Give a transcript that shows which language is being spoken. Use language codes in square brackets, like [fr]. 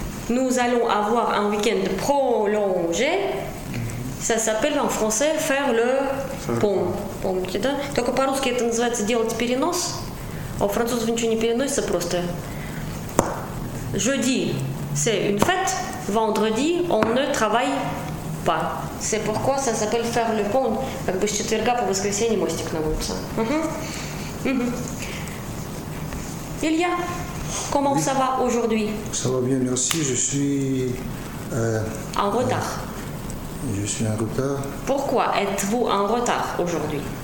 [fr] Nous allons avoir un week-end prolongé. Ça s'appelle en français faire le pont. [ru] Помните, да? Только по-русски это называется делать перенос. А у французов ничего не переносится просто. [fr] Jeudi, c'est une fête. Vendredi, on ne travaille pas. C'est pourquoi ça s'appelle faire le pont. [ru] Как бы с четверга по воскресенье мостик на улице. [fr] Илья, comment ça va aujourd'hui? Ça va bien, merci. Je suis... en retard. Je suis en retard. Pourquoi êtes-vous en retard aujourd'hui?